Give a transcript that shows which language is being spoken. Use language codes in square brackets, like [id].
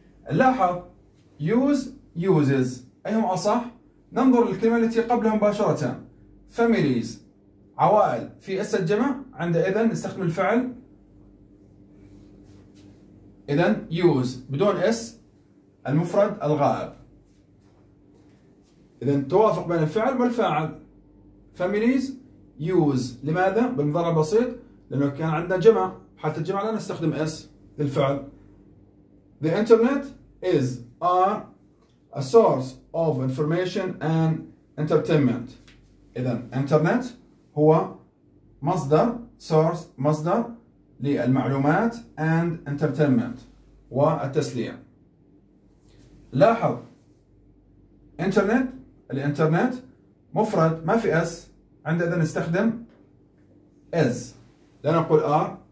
[ar] لاحظ use uses أيهم أصح؟ ننظر للكلمة التي قبلها مباشرة families عوائل في أس الجمع، عندئذ نستخدم الفعل إذن use بدون S المفرد الغائب. إذن توافق بين الفعل والفاعل families use، لماذا؟ بالمضارع بسيط لأنه كان عندنا جمع، حتى الجمع لا نستخدم S للفعل. [en] The internet is are a source of information and entertainment. [ar] إذن internet هو مصدر source مصدر للمعلومات [en] and entertainment [ar] والتسلية. لاحظ internet الانترنت مفرد ما في S، عندئذ نستخدم is لا نقول are.